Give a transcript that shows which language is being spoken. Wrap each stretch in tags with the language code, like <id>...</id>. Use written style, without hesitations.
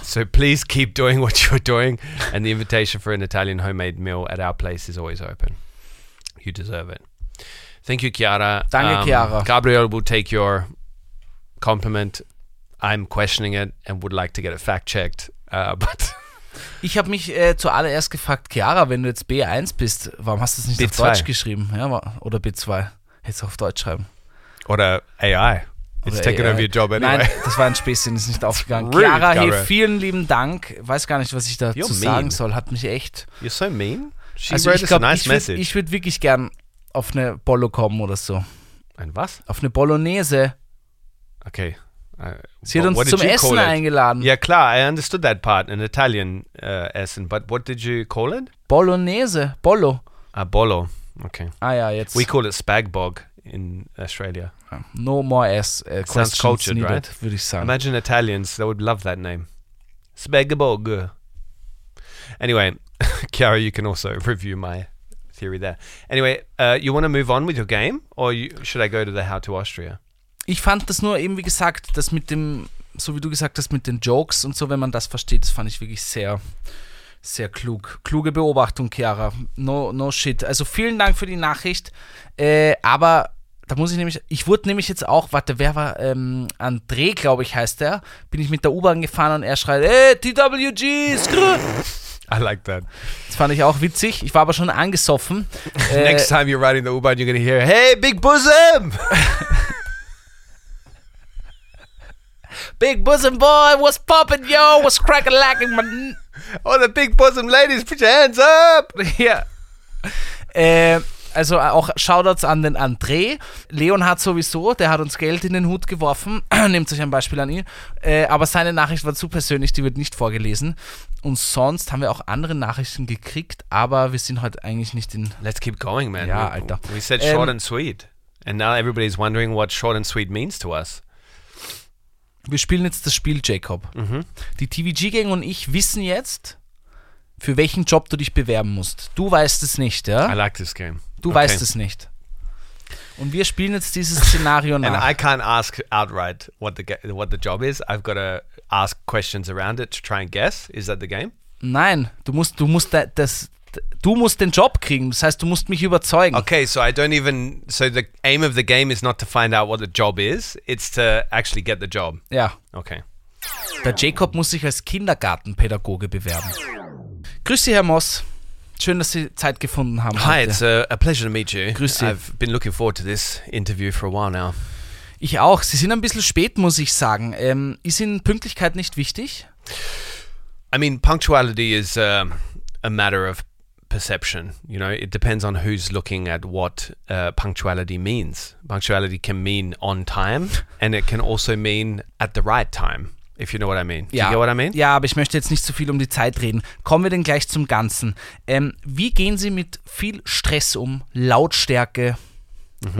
<en>So please keep doing what you're doing, and the invitation for an Italian homemade meal at our place is always open. You deserve it. Thank you, Chiara. Danke, Chiara. Gabriel will take your compliment. I'm questioning it and would like to get it fact-checked, but...</en> <de>Ich habe mich zuallererst gefragt, Chiara, wenn du jetzt B1 bist, warum hast du es nicht B2. Auf Deutsch geschrieben? Ja, oder B2, jetzt auf Deutsch schreiben.</de> <en>Oder AI. It's taken over your job anyway.</en> <de>Nein, das war ein Späßchen, ist nicht aufgegangen. Rude, Chiara, hier, vielen lieben Dank. Weiß gar nicht, was ich dazu sagen soll. Hat mich echt...</de> <en>You're so mean. She also wrote a nice message.</en> <de>Ich würde wirklich gern auf eine Bolo kommen oder so. Ein was? Auf eine Bolognese. Okay. Sie hat uns zum Essen eingeladen.</de> <en>Yeah, klar, I understood that part, an Italian Essen, but what did you call it?</en> <de>Bolognese, Bollo. Ah, Bollo, okay. Ah ja, jetzt.</de> <en>We call it spag bog in Australia. No more ass questions cultured, needed, right?</en> <de>Würde ich sagen.</de> <en>Imagine Italians, they would love that name. Spag bog. Anyway, Chiara, you can also review my theory there. Anyway, you want to move on with your game, or should I go to the How to Austria?</en> <de>Ich fand das nur eben, wie gesagt, das mit dem, so wie du gesagt hast, mit den Jokes und so, wenn man das versteht, das fand ich wirklich sehr, sehr klug. Kluge Beobachtung, Chiara.</de> <en>No shit.</en> <de>Also vielen Dank für die Nachricht. Aber da muss ich nämlich, ich wurde nämlich jetzt auch, warte, wer war, André, glaube ich, heißt der, bin ich mit der U-Bahn gefahren und er schreit, TWG, skrrr.</de> <en>I like that.</en> <de>Das fand ich auch witzig. Ich war aber schon angesoffen.</de> <en>Next time you're riding the U-Bahn, you're gonna hear, hey, big bosom! Big bosom boy, what's poppin', yo? What's crackin' lacking? Oh, the big bosom ladies, put your hands up!</en> <de>Yeah. Also auch Shoutouts an den André. Leon hat sowieso, der hat uns Geld in den Hut geworfen. Nehmt euch ein Beispiel an ihn. Aber seine Nachricht war zu persönlich, die wird nicht vorgelesen. Und sonst haben wir auch andere Nachrichten gekriegt, aber wir sind heute eigentlich nicht in...</de> <en>Let's keep going, man.</en> <de>Ja, Alter.</de> <en>We said short and sweet. And now everybody's wondering what short and sweet means to us.</en> <de>Wir spielen jetzt das Spiel, Jacob. Mhm. Die TVG-Gang und ich wissen jetzt, für welchen Job du dich bewerben musst. Du weißt es nicht, ja?</de> <en>I like this game.</en> <de>Du weißt es nicht. Und wir spielen jetzt dieses Szenario nach.</de> <en>And I can't ask outright what the job is. I've got to ask questions around it to try and guess. Is that the game?</en> <de>Nein, du musst den Job kriegen. Das heißt, du musst mich überzeugen.</de> <en>Okay, so I don't even... So the aim of the game is not to find out what the job is. It's to actually get the job.</en> <de>Ja.</de> <en>Okay.</en> <de>Der Jacob muss sich als Kindergartenpädagoge bewerben. Grüß Sie, Herr Moss. Schön, dass Sie Zeit gefunden haben.</de> <en>Hi, heute. It's a pleasure to meet you.</en> <de>Grüß Sie.</de> <en>I've been looking forward to this interview for a while now.</en> <de>Ich auch. Sie sind ein bisschen spät, muss ich sagen. Ist Ihnen Pünktlichkeit nicht wichtig?</de> <en>I mean, punctuality is a matter of perception. You know, it depends on who's looking at what punctuality means. Punctuality can mean on time and it can also mean at the right time, if you know what I mean.</en> <de>Ja.</de> <en>Do you get what I mean?</en> <de>Ja, aber ich möchte jetzt nicht so viel um die Zeit reden. Kommen wir denn gleich zum Ganzen. Wie gehen Sie mit viel Stress um, Lautstärke, mm-hmm.</de>